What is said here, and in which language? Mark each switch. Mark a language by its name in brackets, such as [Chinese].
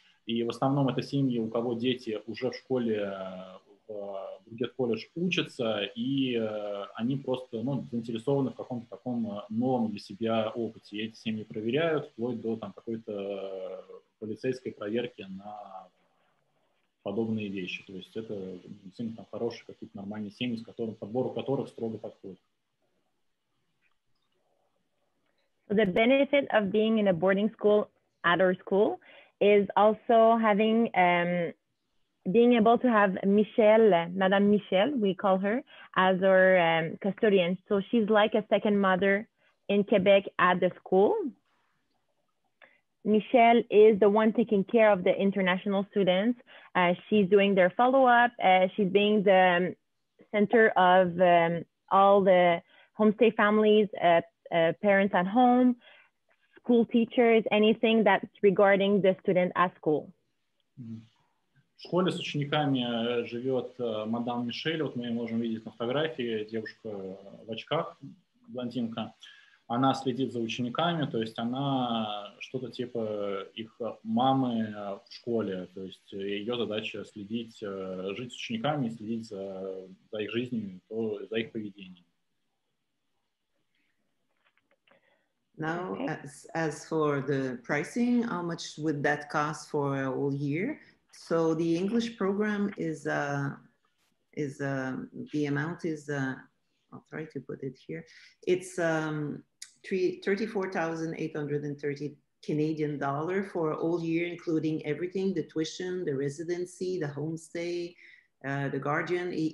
[Russian] И в основном это семьи, у кого дети уже в школе, в Бургет колледж учатся, и они просто, ну, заинтересованы в каком-то таком новом для себя опыте. И эти семьи проверяют, вплоть до там какой-то полицейской проверки на подобные вещи. То есть это семьи там хорошие, какие-то нормальные семьи, с которым, подбору которых строго подходит. [English] The benefit of being in a boarding school at our school is also having being able to have Michelle, Madame Michelle, we call her, as our custodian. So she's like a second mother in Quebec at the school. Michelle is the one taking care of the international students. She's doing their follow-up. She's being the center of all the homestay families, parents at home, school teachers, anything that's regarding the student at school. [Russian] В школе с учениками живет мадам Мишель. Вот мы ее можем видеть на фотографии. Девушка в очках, блондинка. Она следит за учениками, то есть она что-то типа их мамы в школе. То есть ее задача следить, жить с учениками и следить за их жизнью, за их поведением. [English] Now, as for the pricing, how much would that cost for a whole year? So the English program the amount is, I'll try to put it here. It's $34,830 Canadian dollar for a whole year, including everything, the tuition, the residency, the homestay, the guardian.